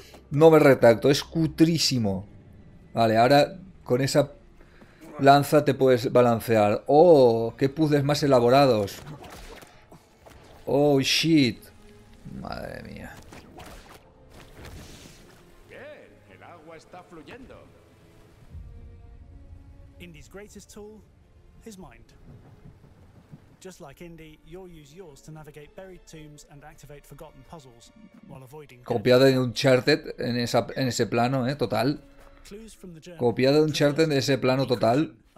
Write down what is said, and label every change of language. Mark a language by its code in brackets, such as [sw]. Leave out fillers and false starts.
[es] No me retracto, es cutrísimo. Vale, ahora con esa lanza te puedes balancear. ¡Oh! ¡Qué puzzles más elaborados! [en] ¡Oh, shit! [es] Madre mía. Bien, el agua está fluyendo. [en] Indy's greatest tool, his mind. Just like Indy, you'll use yours to navigate buried tombs and activate forgotten puzzles while avoiding... [es] Copiada de Uncharted en ese plano, total. Copiada de Uncharted en ese plano total.